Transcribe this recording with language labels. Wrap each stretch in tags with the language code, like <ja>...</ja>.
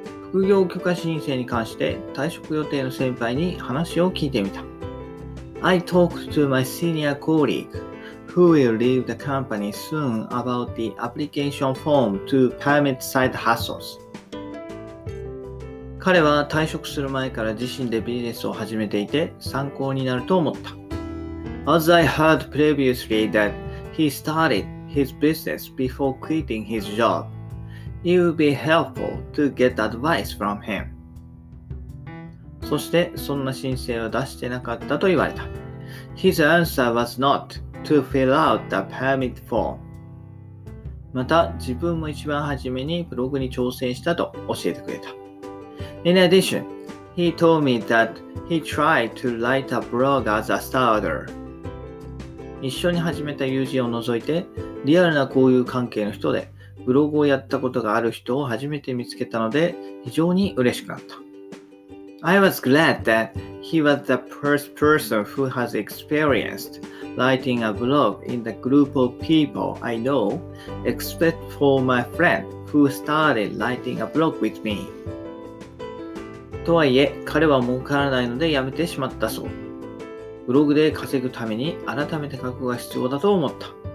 <ja>副業許可申請に関して退職予定の先輩に話を聞いてみた。</ja> <en>I talked to my senior colleague who will leave the company soon about the application form to permit side hustles.</en> <ja>彼は退職する前から自身でビジネスを始めていて参考になると思った。</ja> <en>As I heard previously that he started his business before quitting his job, it would be helpful to get advice from him.</en> <ja>そしてそんな申請は出してなかったと言われた。</ja> <en>His answer was not to fill out the permit form.</en> <ja>また自分も一番初めにブログに挑戦したと教えてくれた。</ja> <en>In addition, he told me that he tried to write a blog as a starter.</en> <ja>一緒に始めた友人を除いて、リアルな交友関係の人で、ブログをやったことがある人を初めて見つけたので、非常に嬉しくなった。</ja> <en>I was glad that he was the first person who has experienced writing a blog in the group of people I know, except for my friend who started writing a blog with me.</en> <ja>とはいえ、彼は儲からないので辞めてしまったそう。ブログで稼ぐために改めて覚悟が必要だと思った。</ja>